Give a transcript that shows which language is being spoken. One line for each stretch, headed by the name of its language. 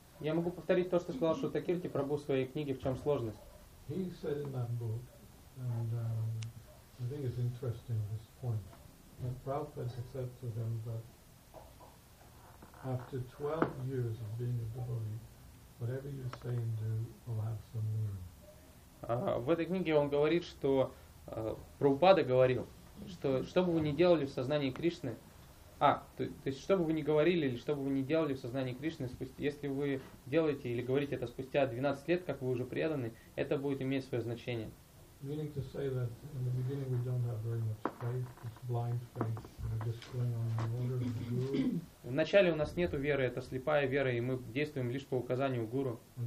Russian: Я могу повторить то, что сказал Шрутакирти про Прабху в своей книге, в чем сложность.
English: He said in that book, and I think it's interesting this point, that Prabhupada said to them that after 12 years of being a devotee, whatever you say and do will have some meaning.
Russian: В этой книге он говорит, что Прабхупада говорил, что что бы вы ни делали в сознании Кришны, то есть что бы вы ни говорили или что бы вы ни делали в сознании Кришны, если вы делаете или говорите это спустя 12 лет, как вы уже преданы, это будет иметь свое значение.
English: meaning to say that in the beginning we don't have very much faith, it's blind faith, we're just going on the order of the guru.
Russian: В начале у нас нету веры, это слепая вера, и мы действуем лишь по указанию гуру.